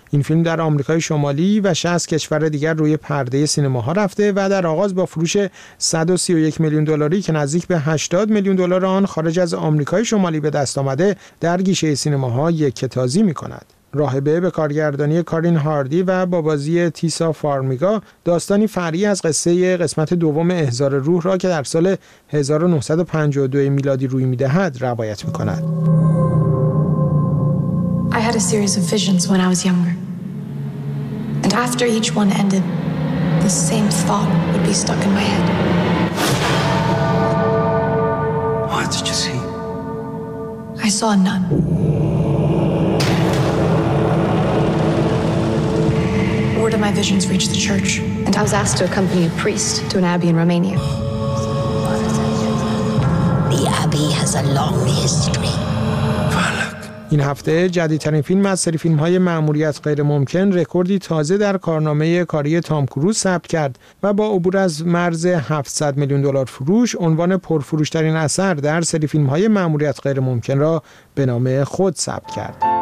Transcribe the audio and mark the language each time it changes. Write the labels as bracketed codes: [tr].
[fa] این فیلم در آمریکای شمالی و 60 کشور دیگر روی پرده سینماها رفته و در آغاز با فروش 131 میلیون دلاری که نزدیک به 80 میلیون دلار آن خارج از آمریکای شمالی به دست آمده، در گیشه سینماها یکه‌تازی می‌کند. راهبه به کارگردانی کارین هاردی و با بازی تیسا فارمیگا داستانی فرعی از قصه قسمت دوم احضار روح را که در سال 1952 میلادی روی می‌دهد روایت می‌کند. [en] I had a series of visions when I was younger. And after each one ended, the same thought would be stuck in my head. What did you see? I saw a nun. My visions reached the church, and I was asked to accompany a priest to an abbey in Romania. The abbey has a long history. [fa] این هفته جدیدترین فیلم از سری فیلم‌های مأموریت غیرممکن رکوردی تازه در کارنامه کاری تام کروز ثبت کرد و با عبور از مرز 700 میلیون دلار فروش عنوان پرفروش‌ترین اثر در سری فیلم‌های مأموریت غیرممکن را به نام خود ثبت کرد.